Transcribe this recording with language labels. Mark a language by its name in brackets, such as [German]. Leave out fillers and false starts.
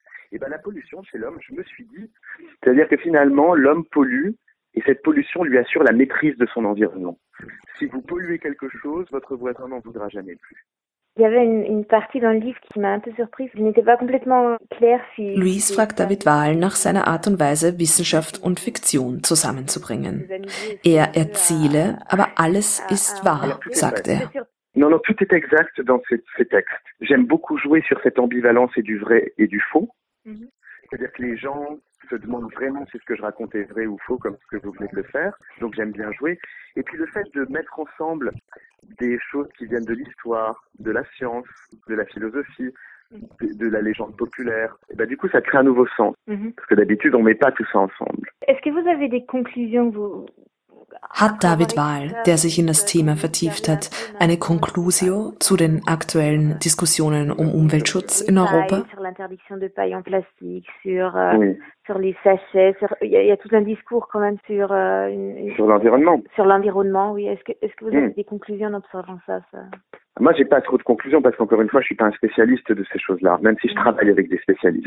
[French] Et bien, la pollution chez l'homme, je me suis dit, c'est-à-dire que finalement, l'homme pollue et cette pollution lui assure la maîtrise de son environnement. Si vous polluez quelque chose, votre voisin n'en voudra jamais plus. Il y avait une partie dans le livre qui m'a un peu surprise. Je n'étais pas complètement claire si... [German] Louise fragt David Wahl nach seiner Art und Weise, Wissenschaft und Fiktion zusammenzubringen. Er erzähle, aber alles ist wahr, sagt er. [French] Non, tout est exact dans ces textes. J'aime beaucoup jouer sur cette ambivalence et du vrai et du faux. Mm-hmm. C'est-à-dire que les gens se demandent vraiment si ce que je raconte est vrai ou faux, comme ce que vous venez de le faire. Donc j'aime bien jouer. Et puis le fait de mettre ensemble des choses qui viennent de l'histoire, de la science, de la philosophie, de la légende populaire, et ben du coup ça crée un nouveau sens. Mm-hmm. Parce que d'habitude on met pas tout ça ensemble. Est-ce que vous avez des conclusions, vous? [German] Hat David Wahl, der sich in das Thema vertieft hat, eine Conclusio zu den aktuellen Diskussionen um Umweltschutz in Europa? [French] Sur l'interdiction de paille en plastique, sur les sachets, il y a tout un discours quand même sur l'environnement. Sur l'environnement, oui. Est-ce que vous avez des conclusions en observant ça? Moi, j'ai pas trop de conclusions parce qu'encore une fois, je suis pas un spécialiste de ces choses-là, même si je travaille avec des spécialistes.